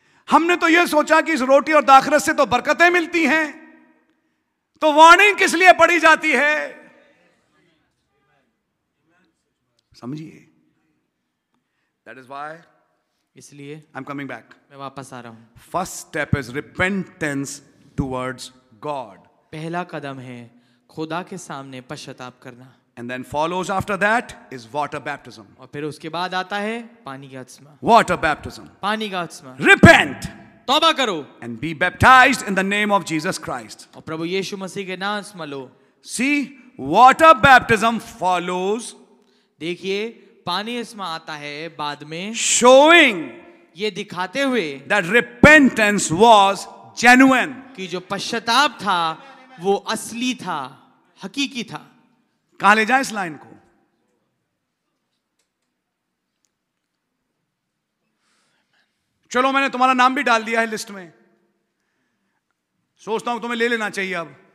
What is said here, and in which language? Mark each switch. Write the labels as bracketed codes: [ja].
[hi] हमने तो यह सोचा कि इस रोटी और दाखरस से तो बरकतें मिलती हैं, तो वार्निंग किस लिए पड़ी जाती है, समझिए। [en] That is why, [hi] इसलिए [en] I'm coming back. [hi] मैं वापस आ रहा हूं। [en] First step is repentance towards God. [hi] पहला कदम है खुदा के सामने पश्चाताप करना। [en] And then follows after that is water baptism. [hi] और फिर उसके बाद आता है पानी का स्नान। [en] Water baptism. [hi] पानी का स्नान। [en] Repent. [hi] तौबा करो। [en] And be baptized in the name of Jesus Christ. [hi] और प्रभु यीशु मसीह के नाम से मलो। [en] See, water baptism follows. [hi] देखिए पानी इसमें आता है बाद में, [en] showing [hi] ये दिखाते हुए [en] that repentance was genuine, [hi] कि जो पश्चाताप था वो असली था, हकीकी था। कहां ले जाए इस लाइन को, चलो मैंने तुम्हारा नाम भी डाल दिया है लिस्ट में, सोचता हूं तुम्हें ले लेना चाहिए अब।